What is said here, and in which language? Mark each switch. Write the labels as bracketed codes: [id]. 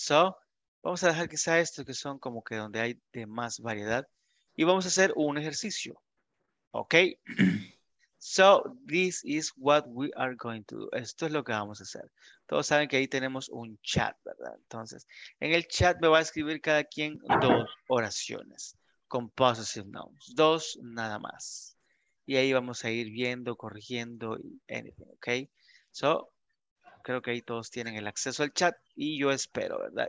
[es] So, vamos a dejar quizá esto que son como que donde hay de más variedad. Y vamos a hacer un ejercicio. Okay. [en] So this is what we are going to do. [es] Esto es lo que vamos a hacer. Todos saben que ahí tenemos un chat, ¿verdad? Entonces, en el chat me va a escribir cada quien dos oraciones con possessive nouns. Dos nada más. Y ahí vamos a ir viendo, corrigiendo, anything, ¿ok? So, creo que ahí todos tienen el acceso al chat y yo espero, ¿verdad?